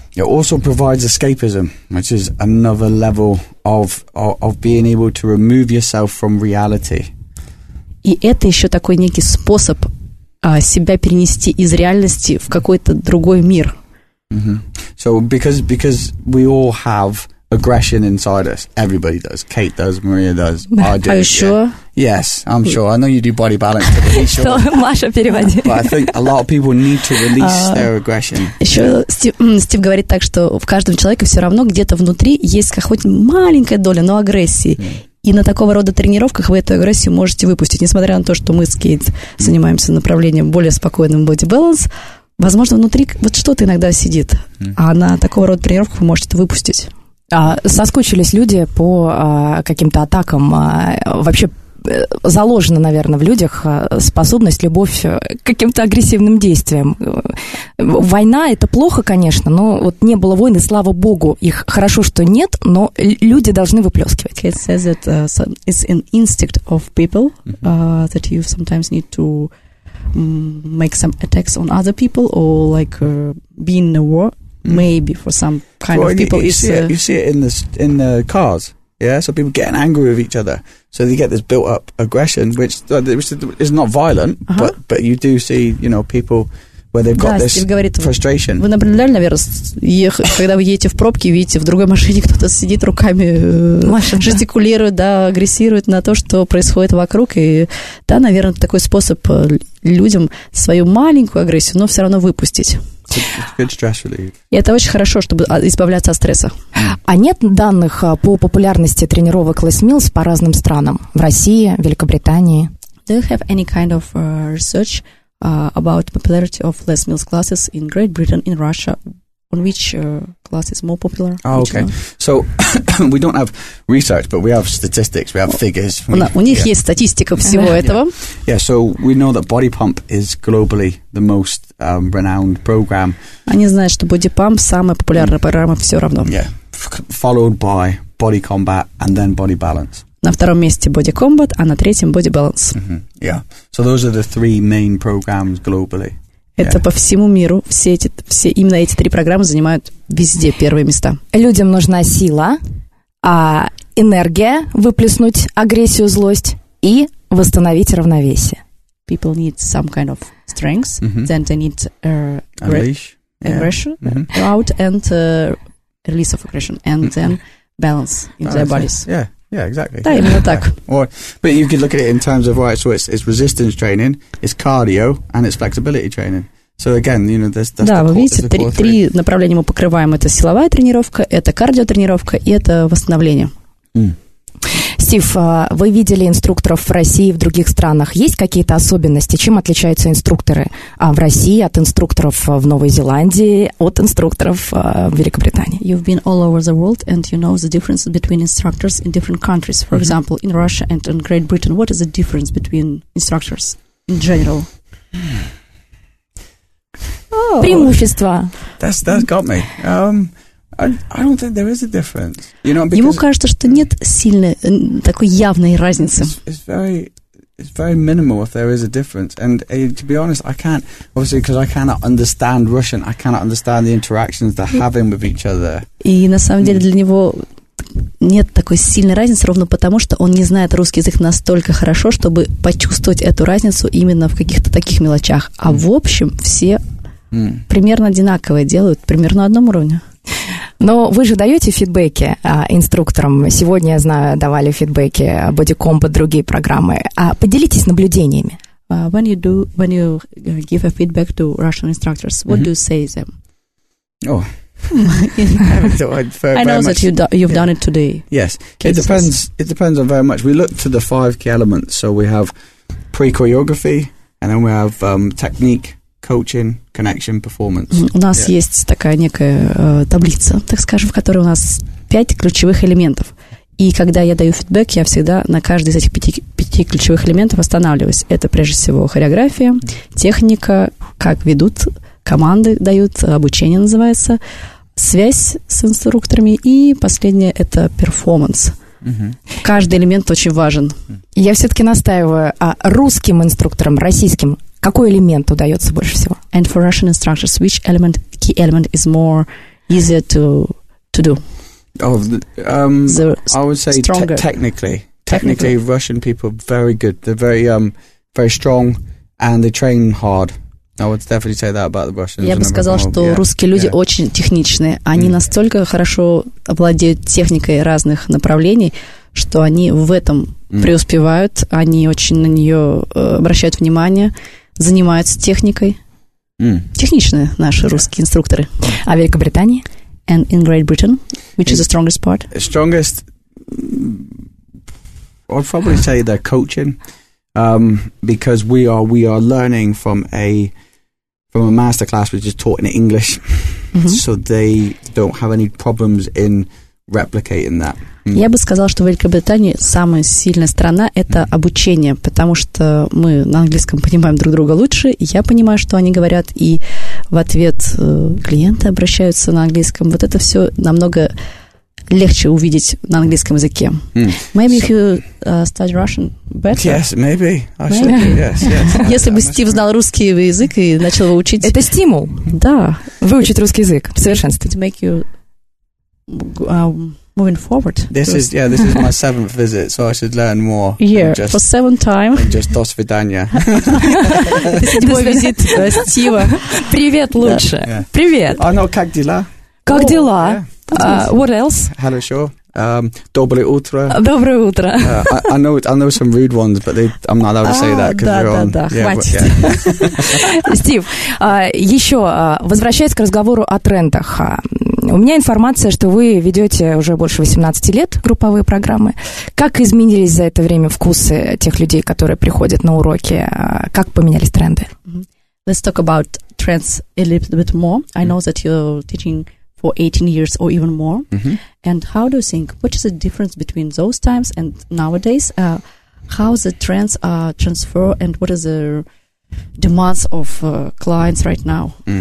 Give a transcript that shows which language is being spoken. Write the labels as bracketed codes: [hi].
[en] It also provides escapism, which is another level of being able to remove yourself from reality. [ru] И это еще такой некий способ себя перенести из реальности в какой-то другой мир. Mm-hmm. [en] So because we all have aggression inside us. Everybody does. Kate does. Maria does. I do. Are you sure? Yes, I'm sure. I know you do body balance. To be sure. [ru] Маша переводит. [en] But I think a lot of people need to release their aggression. [ru] Еще Стив говорит так, что в каждом человеке все равно где-то внутри есть хоть маленькая доля, но агрессии. И на такого рода тренировках вы эту агрессию можете выпустить, несмотря на то, что мы с Кейт занимаемся направлением более спокойным body balance. Возможно, внутри вот что-то иногда сидит, а на такого рода тренировках вы можете это выпустить. А соскучились люди по каким-то атакам? Вообще заложена, наверное, в людях способность, любовь к каким-то агрессивным действиям. Война – это плохо, конечно, но вот не было войн, и слава богу, их хорошо, что нет, но люди должны выплескивать. [en] It says that it's an instinct of people that you sometimes need to make some attacks on other people or like be in a war maybe for some kind of people. You see it in the cars, yeah? So people getting angry with each other, so they get this built up aggression which is not violent, but you do see, you know, people where they've got this frustration. [ru] Вы наблюдали, наверное, когда вы едете в пробке, видите, в другой машине кто-то сидит руками, жестикулирует, да, агрессирует на то, что происходит вокруг. И да, наверное, такой способ людям свою маленькую агрессию, но все равно выпустить. [en] It's good stress relief. [ru] И это очень хорошо, чтобы избавляться от стресса. А нет данных по популярности тренировок Les Mills по разным странам? В России, Великобритании? [en] Do you have any kind of research about popularity of Les Mills classes in Great Britain, in Russia? On which class is more popular? Oh, okay. So, we don't have research, but we have statistics, we have figures. [ru] У них есть статистика всего этого. [en] Yeah, so we know that Body Pump is globally the most renowned program. [ru] Они знают, что Body Pump самая популярная программа все равно. [en] Yeah, followed by Body Combat and then Body Balance. [ru] На втором месте Body Combat, а на третьем Body Balance. Mm-hmm. [en] Yeah, so those are the three main programs globally. [ru] Это по всему миру. Все именно эти три программы занимают везде первые места. Людям нужна сила, энергия выплеснуть агрессию, злость и восстановить равновесие. [en] People need some kind of strength, mm-hmm. then they need aggression mm-hmm. out and release of aggression, and then balance in their bodies. Yeah, exactly. [ru] Да, именно так. [en] But you could look at it in terms of, right, so it's resistance training, it's cardio, and it's flexibility training. So again, you know, that's [ru] да, вы видите, три направления мы покрываем. Это силовая тренировка, это кардиотренировка и это восстановление. Стив, вы видели инструкторов в России и в других странах. Есть какие-то особенности? Чем отличаются инструкторы в России от инструкторов в Новой Зеландии, от инструкторов в Великобритании? [en] You've been all over the world, and you know the difference between instructors in different countries. For mm-hmm. example, in Russia and in Great Britain, what is the difference between instructors in general? [ru] Oh. Преимущества. [en] That's got me. I don't think there is a difference. You know, [ru] ему кажется, что нет сильной такой явной разницы. [en] It's very minimal if there is a difference. And to be honest, I can't, obviously, because I cannot understand Russian, I cannot understand the interactions they're having with each other. [ru] И на самом деле для него нет такой сильной разницы, ровно потому, что он не знает русский язык настолько хорошо, чтобы почувствовать эту разницу именно в каких-то таких мелочах. А в общем, все примерно одинаковые делают, примерно на одном уровне. Но вы же даете фидбэки инструкторам. Сегодня, я знаю, давали фидбэки Body Combat, другие программы. Поделитесь наблюдениями. [en] When you give a feedback to Russian instructors, what mm-hmm. do you say to them? Oh. I know that you've done it today. Yes. It depends on very much. We look to the five key elements. So we have pre-choreography, and then we have technique, coaching, connection, performance. [ru] У нас есть такая некая таблица, так скажем, в которой у нас пять ключевых элементов. И когда я даю фидбэк, я всегда на каждый из этих пяти ключевых элементов останавливаюсь. Это прежде всего хореография, техника, как ведут команды, дают обучение, называется, связь с инструкторами, и последнее – это перформанс. Mm-hmm. Каждый элемент очень важен. Mm-hmm. Я все-таки настаиваю, русским инструкторам, российским, какой элемент удается больше всего? [en] And for Russian instructors, which element, key element is more easier to do? Oh, I would say stronger. Technically, Russian people are very good. They're very, very strong, and they train hard. I would definitely say that about the Russians. [ru] Я бы сказал, что русские люди очень техничные. Они настолько хорошо обладают техникой разных направлений, что они в этом преуспевают. Они очень на нее обращают внимание, занимаются техникой. Техничные наши русские инструкторы. А в Великобритании? [en] And in Great Britain, which is the strongest part? Strongest, I'd probably say the coaching, because we are learning from a masterclass which is taught in English, mm-hmm. so they don't have any problems in replicating that. Mm. [ru] Я бы сказала, что в Великобритании самая сильная сторона – это обучение, потому что мы на английском понимаем друг друга лучше, я понимаю, что они говорят, и в ответ клиенты обращаются на английском. Вот это все намного легче увидеть на английском языке. [en] Mm. Maybe if you study Russian better. Yes, maybe. I should. Yes. [ru] Если бы Стив знал русский язык и начал его учить. Это стимул. Да. Выучить русский язык в совершенстве. [en] To make you moving forward. This is my seventh visit, so I should learn more. Yeah, just, for seventh time. [ru] Just до свидания. Седьмой визит Стива. Привет, лучше. Привет. А ну как дела? Как дела? [en] What else? [ru] Хорошо. Доброе утро. Доброе утро. [en] I know some rude ones, but I'm not allowed to say that. [ru] Да, хватит. Стив, еще, возвращаясь к разговору о трендах. У меня информация, что вы ведете уже больше 18 лет групповые программы. Как изменились за это время вкусы тех людей, которые приходят на уроки? Как поменялись тренды? [en] Let's talk about trends a little bit more. I know that you're teaching for 18 years or even more. And how do you think, what is the difference between those times and nowadays? How the trends are transferred and what are the demands of clients right now?